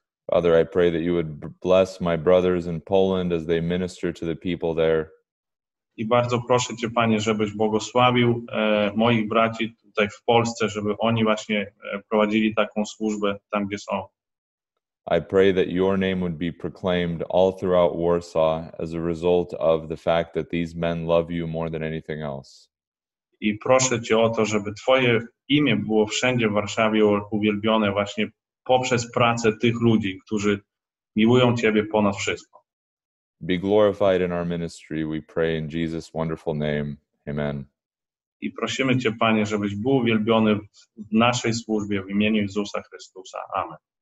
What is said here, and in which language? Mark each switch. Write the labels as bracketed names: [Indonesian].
[English] Father, I pray that you would bless my brothers in Poland as they minister to the people there. [Polish] I bardzo proszę Cię, Panie, żebyś błogosławił moich braci tutaj w Polsce, żeby oni właśnie prowadzili taką służbę tam, gdzie są. [English] I pray that your name would be proclaimed all throughout Warsaw as a result of the fact that these men love you more than anything else. [Polish] I proszę Cię o to, żeby Twoje imię było wszędzie w Warszawie uwielbione właśnie poprzez pracę tych ludzi, którzy miłują Ciebie ponad wszystko. [English] Be glorified in our ministry, we pray in Jesus' wonderful name. Amen. [Polish] I prosimy Cię, Panie, żebyś był uwielbiony w naszej służbie w imieniu Jezusa Chrystusa. Amen.